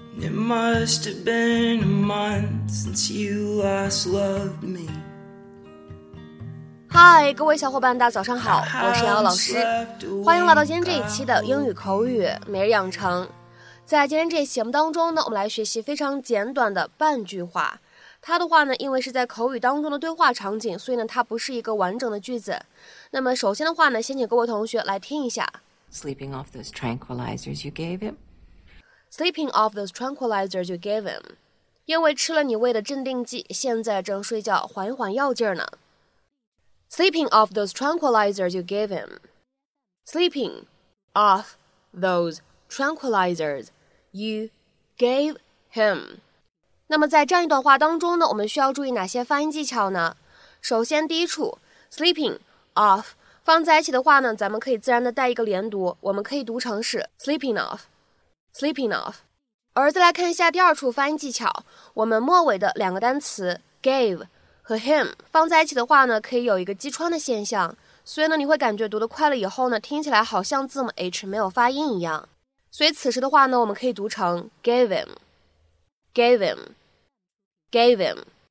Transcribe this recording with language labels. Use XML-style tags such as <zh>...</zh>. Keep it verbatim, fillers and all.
<en>must have been a month since you last loved me.</en> <zh>嗨，各位小伙伴，大早上好，我是姚老师，欢迎来到今天这一期的英语口语每日养成。在今天这一期节目当中呢，我们来学习非常简短的半句话。它的话呢，因为是在口语当中的对话场景，所以呢，它不是一个完整的句子。那么首先的话呢，先请各位同学来听一下。</zh> <en>Sleeping off those tranquilizers you gave him. Sleeping off those tranquilizers you gave him.</en> <zh>因为吃了你喂的镇定剂，现在正睡觉，缓一缓药劲儿呢。</zh> <en>Sleeping off those tranquilizers you gave him. Sleeping off those tranquilizers you gave him.</en> <zh>那么在这样一段话当中呢，我们需要注意哪些发音技巧呢？首先第一处 sleeping off 放在一起的话呢，咱们可以自然的带一个连读，我们可以读成是 sleeping off.</zh> <en>Sleeping off。</en> <zh>而再来看一下第二处发音技巧，我们末尾的两个单词 gave 和 him 放在一起的话呢，可以有一个击穿的现象，所以呢你会感觉读得快了以后呢，听起来好像字母 H 没有发音一样，所以此时的话呢，我们可以读成 gave him gave him gave him。</zh>